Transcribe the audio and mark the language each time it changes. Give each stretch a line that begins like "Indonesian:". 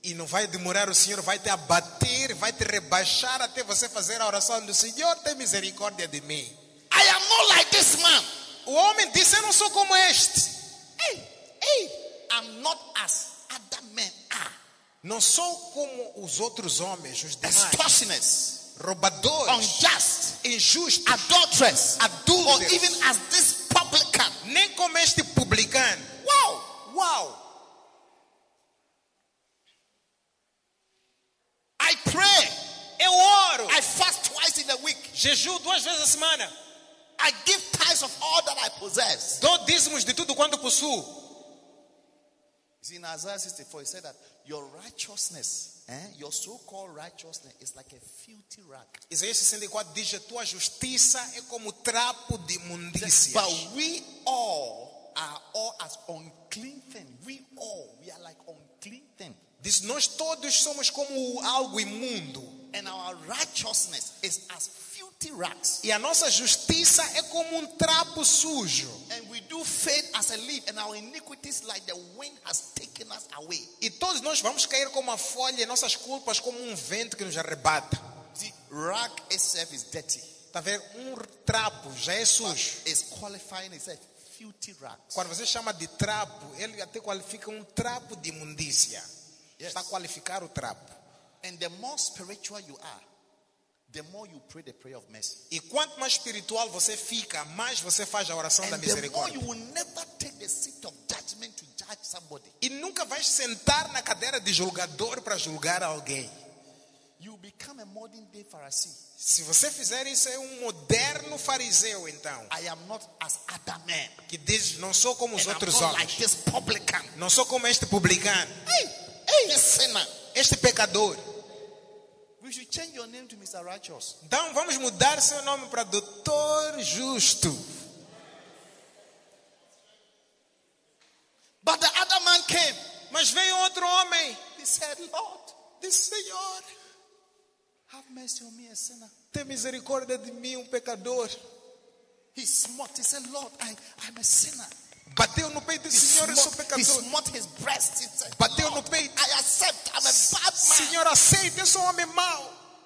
Portuguese: E não vai demorar, o Senhor vai te abater, vai te rebaixar até você fazer a oração do Senhor, tem misericórdia de mim.
English: I am not like this man.
Portuguese: O homem disse, eu não sou como este.
English: Ei, I'm not as other men are.
Portuguese: Não sou como os outros homens, os demais.
English: Extortioners.
Portuguese: Roubadores.
English: Unjust.
Portuguese: Injustos.
English: Adulterers.
Portuguese: Adúlteros.
English: Or even as this publican.
Portuguese: Nem como este publicano. Wow, wow.
English: I pray.
Portuguese: Eu oro.
English: I fast twice in a week.
Portuguese: Jejuo duas vezes a semana.
English: I give tithes of all that I possess.
Portuguese: Dou dízimos de tudo quanto possuo.
English: In Isaiah 64, he said that your righteousness, your so-called righteousness, is like a filthy rag.
Portuguese: Isaiah 64 diz: tua justiça é como trapo de imundícia.
English: But we all are all as unclean thing. We are like unclean thing.
Portuguese: Diz, nós todos somos como algo imundo.
English: And our righteousness is as filthy rags.
Portuguese: E a nossa justiça é como trapo sujo.
English: And we do fade as a leaf, and our iniquities like the wind has taken us away.
Portuguese: E todos nós vamos cair como a folha, e nossas culpas como vento que nos arrebata.
English: The rag itself is dirty.
Portuguese: Tá vendo? Trapo já é sujo.
English: But it's qualifying itself filthy rags.
Portuguese: Quando você chama de trapo, ele até qualifica trapo de imundícia.
English: Yes.
Portuguese: Está a qualificar o trapo.
English: And the more spiritual you are, the more you pray the prayer of mercy.
Portuguese: E quanto mais espiritual você fica, mais você faz a oração
English: and
Portuguese: da misericórdia.
English: The more you will never take the seat of judgment to judge somebody.
Portuguese: E nunca vais sentar na cadeira de julgador para julgar alguém.
English: You become a modern day Pharisee.
Portuguese: Se você fizer isso, é moderno fariseu, então.
English: I am not as other men.
Portuguese: Que diz, não sou como os
English: and
Portuguese: outros homens.
English: Like this publican.
Portuguese: Não sou como este publicano.
English: Hey, hey, sinner.
Portuguese: Este pecador.
English: We should change your name to Mr. Righteous.
Portuguese: Então, vamos mudar seu nome para Doutor Justo.
English: But the other man came.
Portuguese: Mas veio outro homem.
English: He said, Lord, this Senhor. Have mercy on me, a sinner.
Portuguese: Tem misericórdia de mim, pecador.
English: He smote. He said, Lord, I'm a sinner.
Portuguese: Bateu no peito, Senhor, eu sou pecador.
English: He smote his breast. He said,
Portuguese: bateu no peito.
English: I accept. I'm a bad man.
Portuguese: Senhor, aceita. Eu sou um homem mau.